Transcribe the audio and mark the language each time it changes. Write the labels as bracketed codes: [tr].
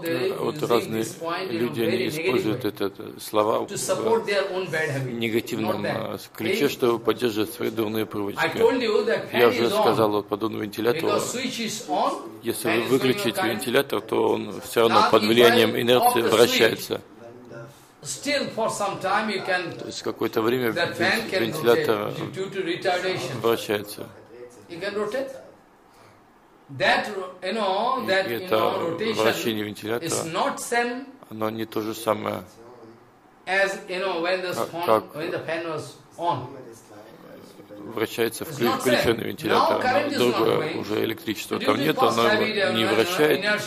[en] They use this point in a very negative way. To support their own bad habits. Negative. [ru] Кричат, что поддерживают свои дурные привычки. Я уже сказал, вот подобный вентилятор. Если вы выключите вентилятор, то он все равно под влиянием инерции вращается. [en] Still for some time you can. [ru] То есть какое-то время вентилятор вращается. [en] You can rotate. That you know rotation is not same. [ru] Оно не то же самое. [en] As you know when the fan was on. [ru] Вращается включенный вентилятор. Другое уже электричество там нет, оно не вращает.